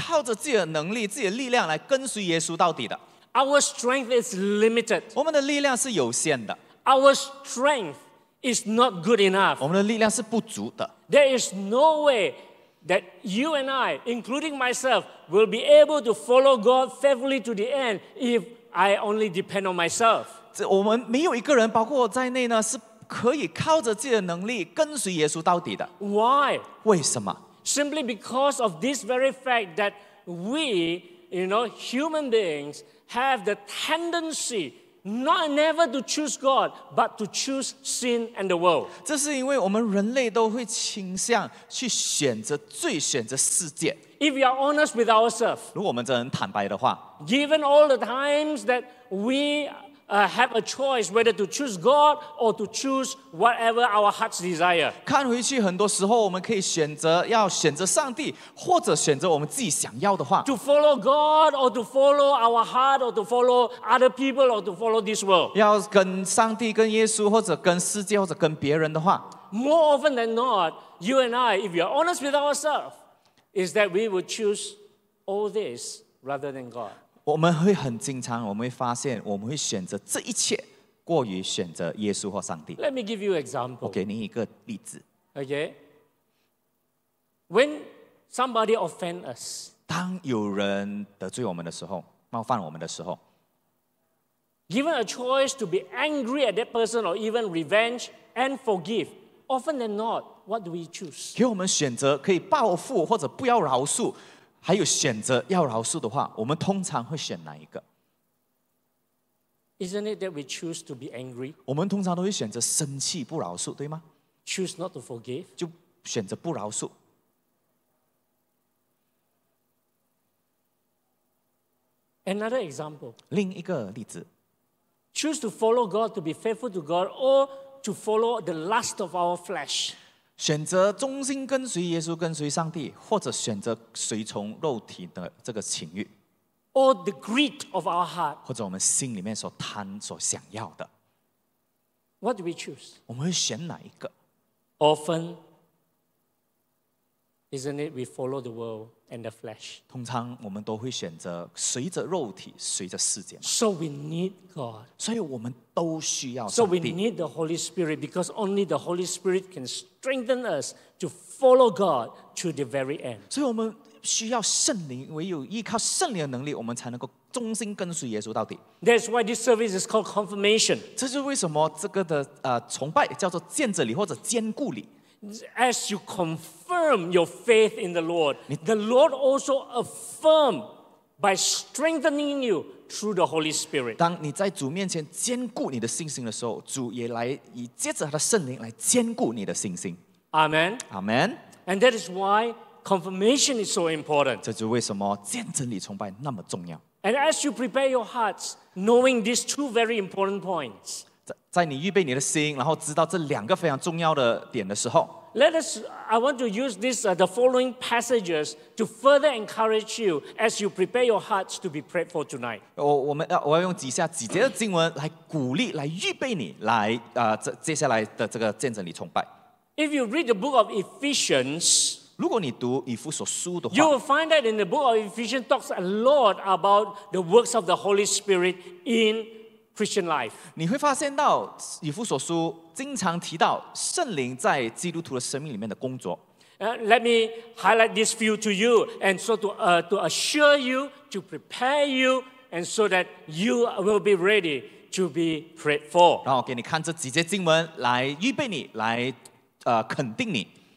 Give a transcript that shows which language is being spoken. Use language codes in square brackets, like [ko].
[zh] 因为这个非常重要，因为呢，我们是不可能靠着自己的能力、自己的力量来跟随耶稣到底的。 [en] Our strength is limited. [zh] 我们的力量是有限的。 [en] Our strength is not good enough. [zh] 我们的力量是不足的。 [en] There is no way that you and I, including myself, will be able to follow God faithfully to the end if I only depend on myself. [zh] 我们没有一个人，包括我在内呢，是可以靠着自己的能力跟随耶稣到底的。 [en] Why? [zh] 为什么？ [en] Simply because of this very fact that we, you know, human beings, have the tendency Not never to choose God, but to choose sin and the world. [zh] 这是因为我们人类都会倾向去选择罪，选择世界。 [en] If we are honest with ourselves, [zh] 如果我们真的很坦白的话， [en] given all the times that we have a choice whether to choose God or to choose whatever our hearts desire. [zh] 看回去，很多时候我们可以选择要选择上帝，或者选择我们自己想要的话。 [en] To follow God or to follow our heart or to follow other people or to follow this world. [zh] 要跟上帝、跟耶稣，或者跟世界，或者跟别人的话。 [en] More often than not, you and I, if we are honest with ourselves, is that we will choose all this rather than God. [zh] 我们会很经常，我们会发现，我们会选择这一切过于选择耶稣或上帝。 [en] Let me give you an example. [zh] 我给你一个例子。 [en] Okay. When somebody offends us, [zh] 当有人得罪我们的时候，冒犯我们的时候 [en] ，given a choice to be angry at that person or even revenge and forgive, often than not, what do we choose? [zh] 给我们选择可以报复或者不要饶恕。还有选择要饶恕的话，我们通常会选哪一个？ [en] Isn't it that we choose to be angry? [zh] 我们通常都会选择生气不饶恕，对吗？ [en] Choose not to forgive. [zh] 就选择不饶恕。 [en] Another example. [zh] 另一个例子。 [en] Choose to follow God, to be faithful to God, or to follow the lust of our flesh. [zh] 选择忠心跟随耶稣，跟随上帝，或者选择随从肉体的这个情欲 [en] ，or the greed of our heart， [zh] 或者我们心里面所贪、所想要的。 [en] What do we choose？ [zh] 我们会选哪一个 [en] ？Often, isn't it we follow the world and the flesh？ [zh] 通常我们都会选择随着肉体，随着世界。 [en] So we need God。 [zh] 所以我们都需要 [en] 上帝。So we need the Holy Spirit because only the Holy Spirit can strengthen us to follow God to the very end. [zh] 所以我们需要圣灵，唯有依靠圣灵的能力，我们才能够忠心跟随耶稣到底。 [en] That's why this service is called confirmation. [zh] 这是为什么这个的崇拜叫做见证礼或者坚固礼。 [en] As you confirm your faith in the Lord, the Lord also affirm by strengthening you. Through the Holy Spirit. [zh] 当你在主面前坚固你的信心的时候，主也来以借着他的圣灵来坚固你的信心。 [en] Amen. Amen. And that is why confirmation is so important. [zh] 这就为什么见证礼崇拜那么重要。 [en] And as you prepare your hearts, knowing these two very important points, [zh] 在你预备你的心，然后知道这两个非常重要的点的时候。 [en] Let us. I want to use this, the following passages to further encourage you as you prepare your hearts to be prayed for tonight. [zh] 我要用几节的经文来鼓励，来预备你，来接下来的这个见证礼崇拜。 [en] If you read the book of Ephesians, [zh] 如果你读以弗所书的话 [en] ，you will find that in the book of Ephesians talks a lot about the works of the Holy Spirit in Christian life. [zh] 你会发现到以弗所书。经常提到圣灵在基督徒的生命里面的工作。 [en] Let me highlight this few to you, and so to assure you, to prepare you, and so that you will be ready to be prayed for. [zh] 然后给你看这几节经文，来预备你，来肯定你。